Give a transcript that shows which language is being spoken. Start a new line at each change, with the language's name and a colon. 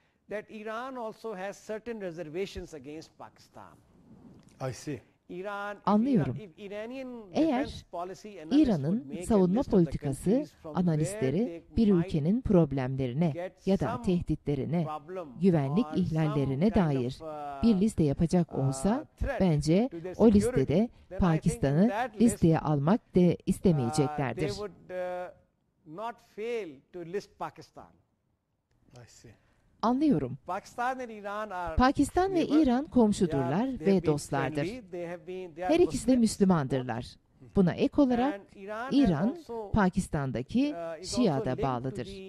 English: That Iran also has certain reservations against Pakistan. I see.
Turkish: İran, anlıyorum. Eğer İran'ın savunma politikası analistleri bir ülkenin problemlerine ya da tehditlerine, güvenlik ihlallerine dair bir liste yapacak olsa, bence o listede Pakistan'ı listeye almak da istemeyeceklerdir.
English: They would not fail to list Pakistan. I see.
Turkish: Anlıyorum. Pakistan ve İran komşudurlar ve dostlardır. Her ikisi de Müslümandırlar. Buna ek olarak İran, Pakistan'daki Şia'da bağlıdır.